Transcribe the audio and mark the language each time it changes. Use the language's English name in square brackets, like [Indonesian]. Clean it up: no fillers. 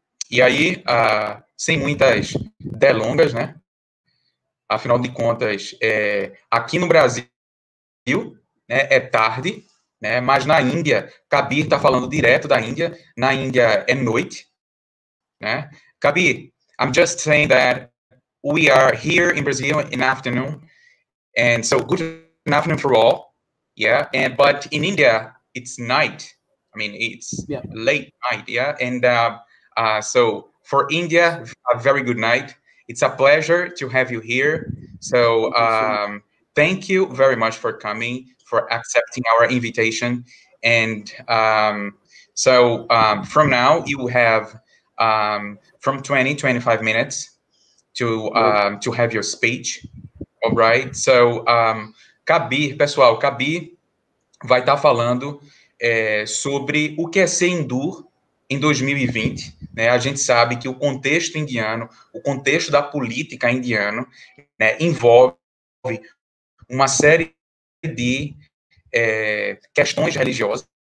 [Portuguese] E aí, sem muitas delongas, né? Afinal de contas, aqui no Brasil, né, é tarde, né? Mas na Índia, Kabir está falando direto da Índia. Na Índia é noite, né? [English] Kabir, I'm just saying that we are here in Brazil in afternoon, and so good afternoon for all. Yeah, and but in India it's night. I mean, it's Yeah. late night. Yeah, and so for India, a very good night. It's a pleasure to have you here. So Thank you so much. thank you very much for coming, for accepting our invitation, and from now you have. From 20, 25 minutes to have your speech, all right? [Portuguese] So, Kabir, pessoal, Kabir vai estar falando sobre o que é ser hindu em 2020, né? A gente sabe que o contexto indiano, o contexto da política indiana, né, envolve uma série de questões religiosas.